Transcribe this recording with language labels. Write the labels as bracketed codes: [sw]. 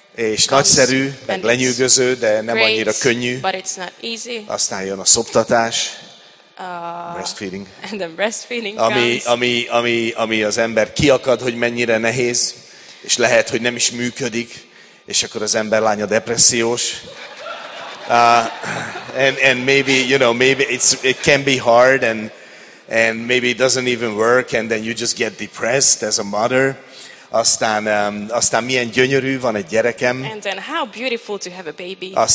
[hu] És nagyszerű, meg lenyűgöző, de nem [en] great, [hu] annyira könnyű. [en] But it's not easy. [hu] Aztán jön a szoptatás. [en] Breastfeeding. And the breastfeeding. [hu] Ami az ember kiakad, hogy mennyire nehéz, és lehet, hogy nem is működik, és akkor az ember lánya depressziós. [en] And maybe, you know, maybe it can be hard and maybe it doesn't even work and then you just get depressed as a mother. [hu] Aztán milyen gyönyörű van egy gyerekem. [en] And then how beautiful to have a baby.